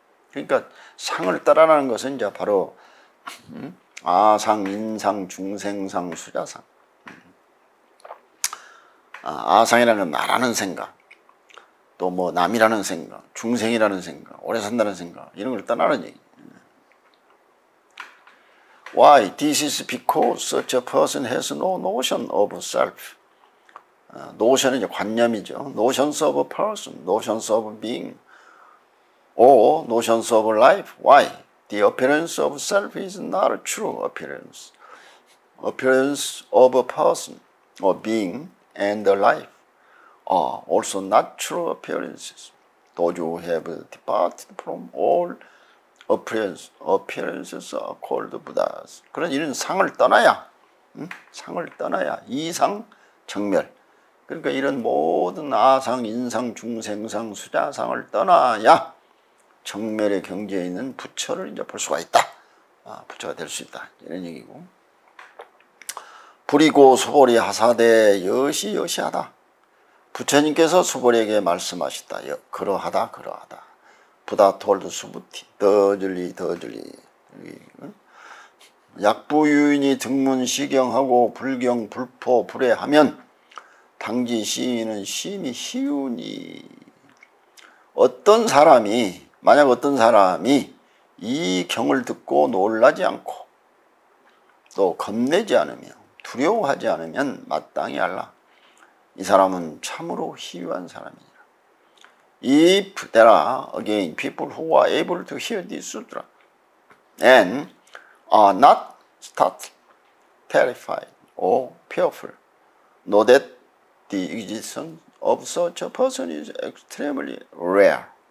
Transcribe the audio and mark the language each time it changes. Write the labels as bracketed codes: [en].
[ko] 그러니까 상을 따라라는 것은 이제 바로 아상, 인상, 중생상, 수자상. 아상이라는 나라는 생각. 또뭐 남이라는 생각, 중생이라는 생각, 오래 산다는 생각 이런 걸 떠나는 얘기. [en] Why? This is because such a person has no notion of self. Notion은 [ko] 이제 관념이죠. [en] Notions of a person, notions of being, or notions of life. Why? The appearance of self is not a true appearance. Appearance of a person or being and a life. Also natural appearances. Those who have departed from all appearances are called Buddhas. [ko] 그런 이런 상을 떠나야, 응? 상을 떠나야 이상 정멸. 그러니까 이런 모든 아상, 인상, 중생상, 수자상을 떠나야 정멸의 경지에 있는 부처를 이제 볼 수가 있다. 부처가 될수 있다. 이런 얘기고. 불이고 소보리 하사대 여시여시하다. 부처님께서 수보리에게 말씀하셨다. 그러하다, 그러하다. [en] 부다 톨드 수부티, 더줄리, 더줄리. [ko] 약부유인이 등문시경하고 불경 불포 불회하면 당지 시인은 심히 희우니. 어떤 사람이, 만약 어떤 사람이 이 경을 듣고 놀라지 않고 또 겁내지 않으며 두려워하지 않으면 마땅히 알라. 이 사람은 참으로 희유한 사람이니라. [en] If there are again people who are able to hear this sutra and are not startled, terrified, or fearful, know that the existence of such a person is extremely rare.